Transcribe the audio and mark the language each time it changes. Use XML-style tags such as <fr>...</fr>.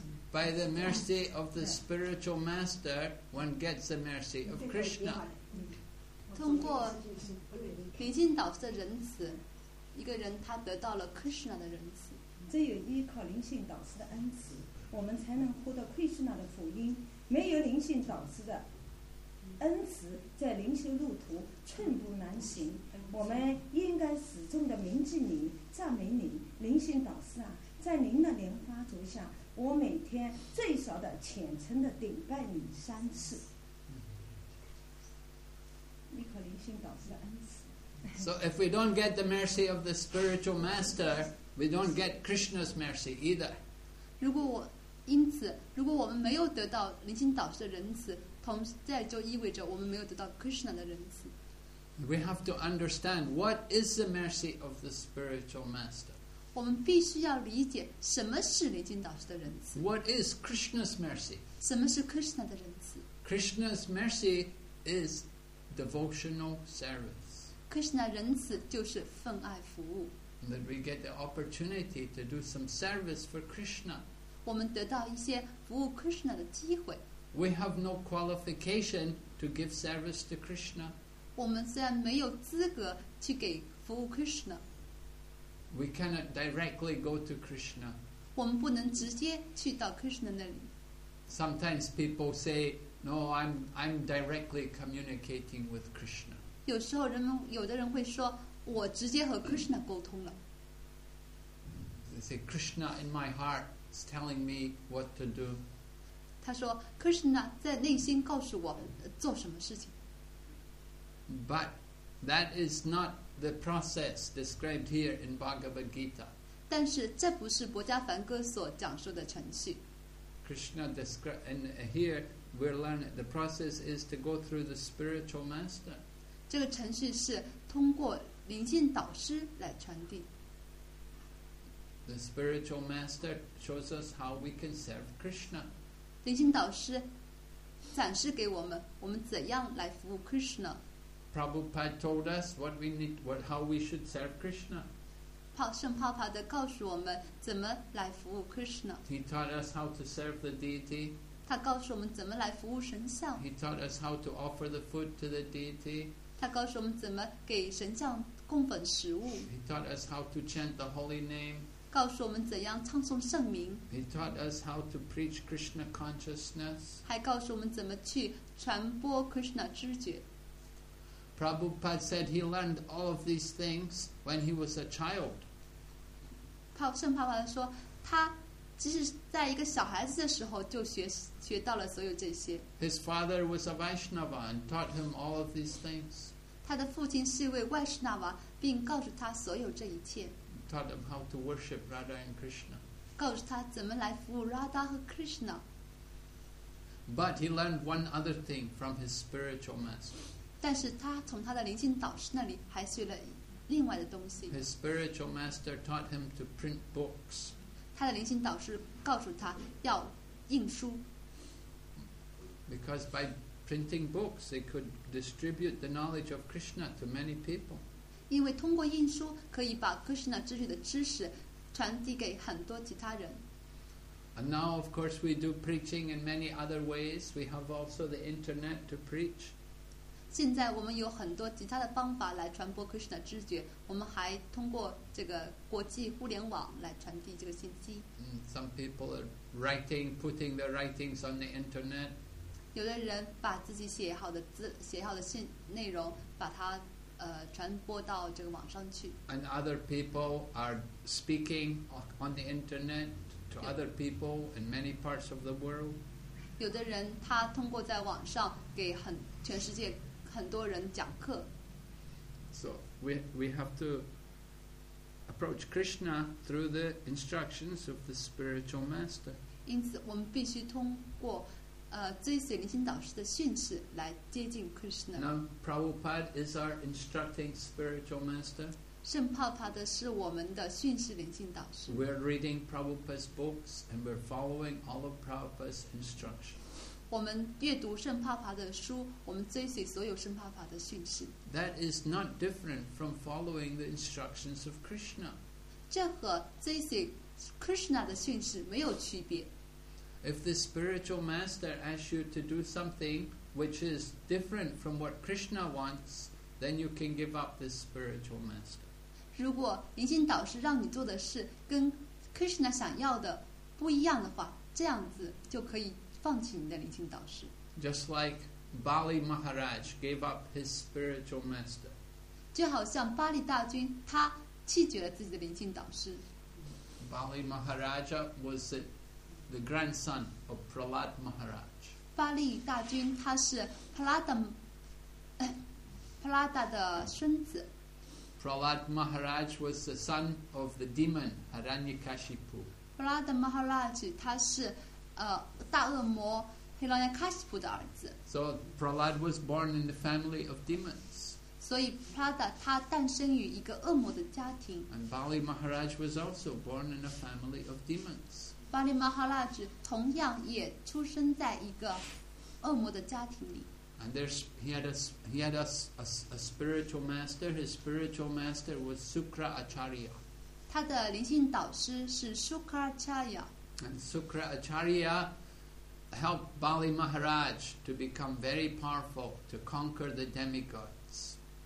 <en>By the mercy of the spiritual master, one gets the mercy of Krishna.</en> <zh>通过灵性导师的仁慈。一个人他得到了 Krishna 的仁慈，只有依靠灵性导师的恩慈，我们才能获得 Krishna 的福音。没有灵性导师的恩慈，在灵修路途寸步难行。我们应该始终的铭记您，赞美您，灵性导师啊，在您的莲花足下，我每天最少的虔诚的顶拜你三次，依靠灵性导师的恩慈。</zh> <en>So if we don't get the mercy of the spiritual master, we don't get Krishna's mercy either.</en> <zh>如果我因此，如果我们没有得到灵性导师的仁慈，同在就意味着我们没有得到 Krishna 的仁慈。</zh> <en>We have to understand what is the mercy of the spiritual master.</en> <zh>我们必须要理解什么是灵性导师的仁慈。</zh> <en>What is Krishna's mercy?</en> <zh>什么是 Krishna 的仁慈？</zh> <en>Krishna's mercy is devotional service.</en> <zh>Krishna 仁慈就是分爱服务。</zh> <en>That we get the opportunity to do some service for Krishna.</en> <zh>我们得到一些服务 Krishna 的机会。</zh> <en>We have no qualification to give service to Krishna.</en> <zh>我们虽然没有资格去给服务 Krishna.</zh> <en>We cannot directly go to Krishna.</en> <zh>我们不能直接去到 Krishna 那里。</zh> <en>Sometimes people say, "No, I'm directly communicating with Krishna."</en> <zh>有时候人们有的人会说我直接和 Krishna 沟通了。</zh> <en>They say Krishna in my heart is telling me what to do.</en> <zh>他说 Krishna 在内心告诉我做什么事情。</zh> <en>But that is not the process described here in Bhagavad Gita.</en> <zh>但是这不是博迦梵歌所讲述的程序。</zh> <en>Krishna described, and here we're learning the process is to go through the spiritual master.</en> <zh>这个程序是通过灵性导师来传递。</zh> <en>The spiritual master shows us how we can serve Krishna.</en> <zh>灵性导师展示给我们，我们怎样来服务 Krishna.</zh> <en>Prabhupada told us what we need, what how we should serve Krishna.</en> <zh>圣帕帕的告诉我们怎么来服务 Krishna.</zh> <en>He taught us how to serve the deity.</en> <zh>他告诉我们怎么来服务神像。</zh> <en>He taught us how to offer the food to the deity.</en> <zh>他告诉我们怎么给神像供奉食物。</zh> <en>He taught us how to chant the holy name.</en> <zh>告诉我们怎样唱诵圣名。</zh> <en>He taught us how to preach Krishna consciousness.</en> <zh>还告诉我们怎么去传播 Krishna 知觉。</zh> <en>Prabhupada said he learned all of these things when he was a child.</en> <zh>圣帕帕说，他其实在一个小孩子的时候就学到了所有这些。</zh> <en>His father was a Vaishnava and taught him all of these things.</en> <zh>他的父亲是一位 Vaishnava, 并告诉他所有这一切。</zh> <en>Taught him how to worship Radha and Krishna.</en> <zh>告诉他怎么来服务 Radha 和 Krishna.</zh> <en>But he learned one other thing from his spiritual master.</en> <zh>但是他从他的灵性导师那里还学了另外的东西。</zh> <en>His spiritual master taught him to print books.</en> <zh>他的灵性导师告诉他要印书。</zh> <en>Because by printing books, they could distribute the knowledge of Krishna to many people.</en> <zh>因为通过印书可以把 Krishna 知识的知识传递给很多其他人。</zh> <en>And now, of course, we do preaching in many other ways. We have also the internet to preach.</en> <zh>现在我们有很多其他的方法来传播 Krishna 知觉，我们还通过这个国际互联网来传递这个信息。</zh> <en>Some people are writing, putting their writings on the internet.</en> <zh>有的人把自己写好的字、写好的信内容，把它传播到这个网上去。</zh> <en>And other people are speaking on the internet to other people in many parts of the world.</en> <zh>有的人他通过在网上给全世界很多人讲课。</zh> <en>So we have to. Approach Krishna through the instructions of the spiritual master.</en> <zh>因此我们必须通过追随灵性导师的训示来接近 Krishna。</zh> <en>Now Prabhupada is our instructing spiritual master。</en> <zh>圣泡帕德是我们的训示灵性导师。</zh> <en>We are reading Prabhupada's books and we are following all of Prabhupada's instructions。</en> <zh>我们阅读圣泡帕德的书，我们追随所有圣泡帕德的训示。</zh> <en>That is not different from following the instructions of Krishna。</en> <zh>这和追随 Krishna 的训示没有区别。</zh> <en>If the spiritual master asks you to do something which is different from what Krishna wants, then you can give up the spiritual master.</en> <zh>如果灵性导师让你做的事跟 Krishna 想要的不一样的话，这样子就可以放弃你的灵性导师。</zh> <en>Just like Bali Maharaj gave up his spiritual master.</en> <zh>就好像巴利大君他弃绝了自己的灵性导师。</zh> <en>Bali Maharaja was the grandson of Prahlad Maharaj.</en> <zh>巴利大君他是 Prahlada 的孙子。</zh> <en>Prahlad Maharaj was the son of the demon Hiranyakashipu.</en> <zh>Prahlad Maharaj 他是大恶魔 Hiranyakashipu 的儿子。</zh> <en>So Prahlad was born in the family of demons.</en> <zh>所以 Prahlada 他诞生于一个恶魔的家庭。</zh> <en>And Bali Maharaj was also born in a family of demons.</en> <zh>巴利马哈拉吉同样也出生在一个恶魔的家庭里。</zh> <en>And he had a spiritual master. His spiritual master was Sukra Acharya.</en> <zh>他的灵性导师是 Sukra Acharya.</zh> <en>And Sukra Acharya helped Bali Maharaj to become very powerful to conquer the demigods.</en>